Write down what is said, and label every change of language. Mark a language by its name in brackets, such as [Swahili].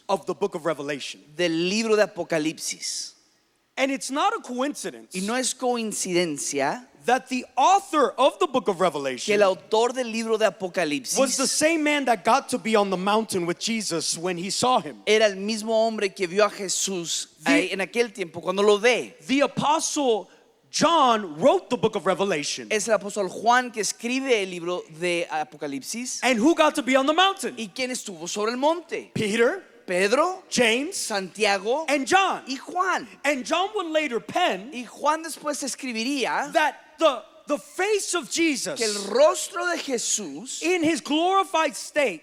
[English] of the book of Revelation, [Spanish] del libro de Apocalipsis, [English] and it's not a coincidence. [Spanish] Y no es coincidencia [English] that the author of the book of Revelation, [Spanish] que el autor del libro de Apocalipsis, [English] was the same man that got to be on the mountain with Jesus when he saw him. [Spanish] Era el mismo hombre que vio a Jesús en aquel tiempo cuando lo ve. [English] The apostle John wrote the book of Revelation. [Spanish] Es el apóstol Juan que escribe el libro de Apocalipsis. [English] And who got to be on the mountain? [Spanish] ¿Y quién estuvo sobre el monte? [English] Peter, [Spanish] Pedro, [English] James, [Spanish] Santiago, [English] and John. [Spanish] Y Juan. [English] And John would later pen, [Spanish] y Juan después escribiría, [English] that the face of Jesus, [Spanish] que el rostro de Jesús, [English] in his glorified state,